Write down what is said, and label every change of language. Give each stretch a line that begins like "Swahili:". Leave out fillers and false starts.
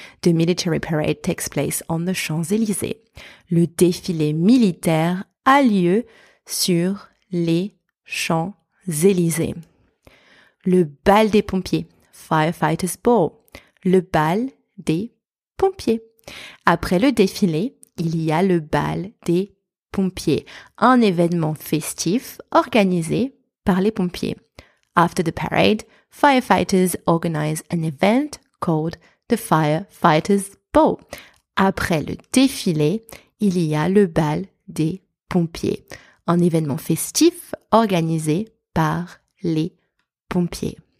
English: The military parade takes place on the Champs-Élysées.
French: Le défilé militaire a lieu sur les Champs-Élysées. Le bal des pompiers,
English: firefighters ball.
French: Le bal des pompiers. Après le défilé, il y a le bal des pompiers, un événement festif organisé par les pompiers.
English: After the parade, firefighters organize an event called the Firefighters Ball.
French: Après le défilé, il y a le bal des pompiers, un événement festif organisé par les pompiers.